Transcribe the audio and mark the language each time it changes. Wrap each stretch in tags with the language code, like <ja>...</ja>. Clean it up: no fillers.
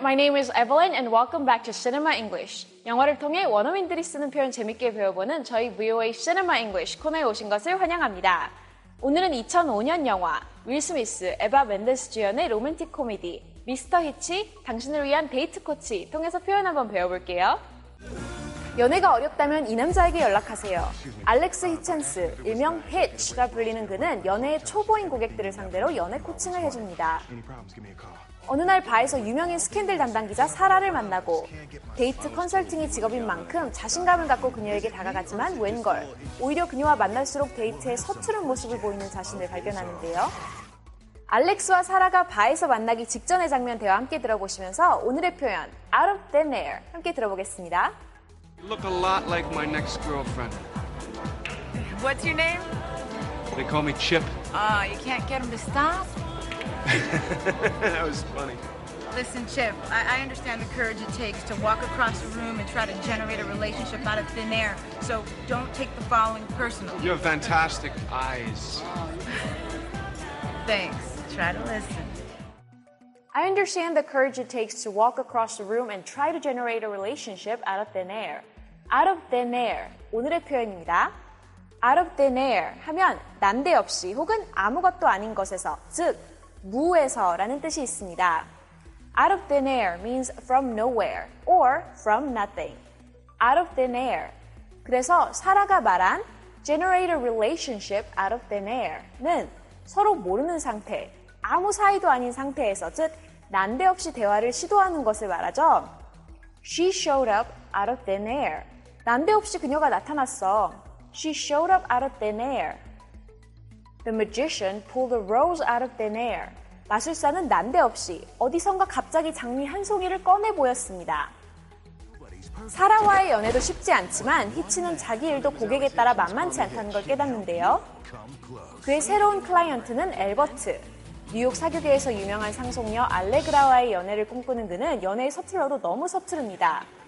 <en>My name is Evelyn and welcome back to Cinema English.</en> <ko>영화를 통해 원어민들이 쓰는 표현 재밌게 배워보는 저희 VOA Cinema English 코너에 오신 것을 환영합니다. 오늘은 2005년 영화 윌 스미스, 에바 멘데스 주연의 로맨틱 코미디 미스터 히치, 당신을 위한 데이트 코치 통해서 표현 한번 배워볼게요. 연애가 어렵다면 이 남자에게 연락하세요. 알렉스 히첸스, 일명 히치가 불리는 그는 연애의 초보인 고객들을 상대로 연애 코칭을 해줍니다. 어느 날 바에서 유명인 스캔들 담당 기자 사라를 만나고 데이트 컨설팅이 직업인 만큼 자신감을 갖고 그녀에게 다가가지만 웬걸 오히려 그녀와 만날수록 데이트에 서투른 모습을 보이는 자신을 발견하는데요. 알렉스와 사라가 바에서 만나기 직전의 장면 대화 함께 들어보시면서 오늘의 표현</ko> <en>Out of thin air</en> <ko>함께 들어보겠습니다.</ko> <en>Look a lot like my next girlfriend. What's your name? They call me Chip. You can't get them to stop? That was funny. Listen, Chip, I understand the courage it takes to walk across a room and try to generate a relationship out of thin air. So don't take the following personal. You have fantastic eyes. Thanks. Try to listen. I understand the courage it takes to walk across a room and try to generate a relationship out of thin air. Out of thin air.</en> <ko>오늘의 표현입니다.</ko> <en>Out of thin air</en> <ko>하면 난데없이 혹은 아무것도 아닌 것에서, 즉 무에서라는 뜻이 있습니다.</ko> <en>Out of thin air means from nowhere or from nothing. Out of thin air.</en> <ko>그래서 사라가 말한</ko> <en>generate a relationship out of thin air</en> <ko>는 서로 모르는 상태, 아무 사이도 아닌 상태에서, 즉 난데없이 대화를 시도하는 것을 말하죠.</ko> <en>She showed up out of thin air.</en> <ko>난데없이 그녀가 나타났어.</ko> <en>She showed up out of thin air. The magician pulled a rose out of thin air.</en> <ko>마술사는 난데없이 어디선가 갑자기 장미 한 송이를 꺼내 보였습니다. 사라와의 연애도 쉽지 않지만 히치는 자기 일도 고객에 따라 만만치 않다는 걸 깨닫는데요. 그의 새로운 클라이언트는 엘버트. 뉴욕 사교계에서 유명한 상속녀 알레그라와의 연애를 꿈꾸는 그는 연애에 서툴러도 너무 서투릅니다.</ko>